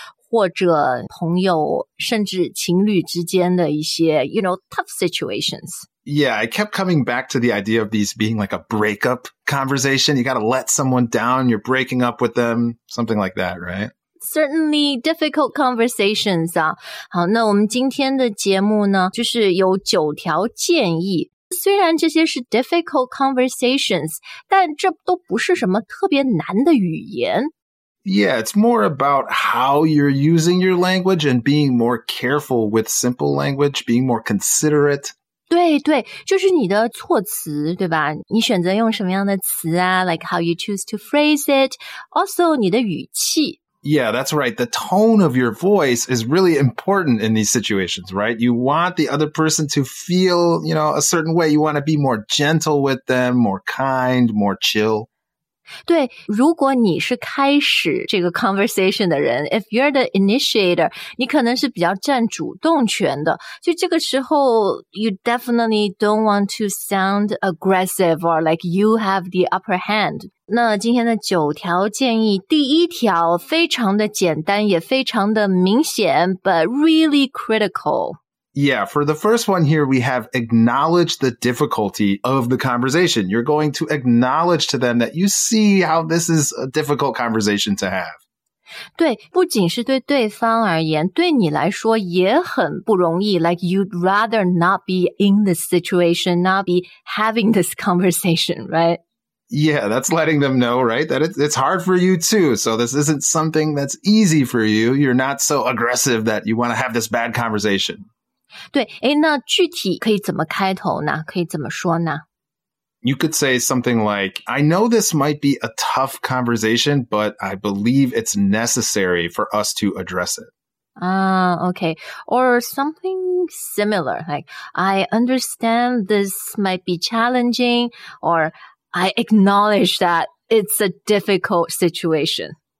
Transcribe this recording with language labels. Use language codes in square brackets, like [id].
[zh] 或者朋友甚至情侣之间的一些 [en] you know, tough situations. Yeah, I kept coming back to the idea of these being like a breakup conversation. You got to let someone down, you're breaking up with them, something like that, right? Certainly difficult conversations. [zh] 好，那我们今天的节目呢，就是有九条建议。虽然这些是 [en] difficult conversations, [zh] 但这都不是什么特别难的语言。 [en] Yeah, it's more about how you're using your language and being more careful with simple language, being more considerate. [zh] 对对，就是你的措辞，对吧？你选择用什么样的词啊？ [en] Like how you choose to phrase it. Also, [zh] 你的语气。 [en] Yeah, that's right. The tone of your voice is really important in these situations, right? You want the other person to feel, you know, a certain way. You want to be more gentle with them, more kind, more chill. [zh] 对，如果你是开始这个 conversation 的人 ， [en] if you're the initiator， [zh] 你可能是比较占主动权的。就这个时候 [en] ，you definitely don't want to sound aggressive or like you have the upper hand。 [zh] 那今天的九条建议，第一条非常的简单，也非常的明显 ， [en] but really critical。 Yeah, for the first one here, we have acknowledge the difficulty of the conversation. You're going to acknowledge to them that you see how this is a difficult conversation to have. [zh] 对，不仅是对对方而言，对你来说也很不容易。 [en] Like you'd rather not be in this situation, not be having this conversation, right? Yeah, that's letting them know, right, that it's hard for you too. So this isn't something that's easy for you. You're not so aggressive that you want to have this bad conversation. [zh] 对，诶，那具体可以怎么开头呢？可以怎么说呢？ [en] You could say something like, I know this might be a tough conversation, but I believe it's necessary for us to address it. Okay. Or something similar, like, I understand this might be challenging, or I acknowledge that it's a difficult situation.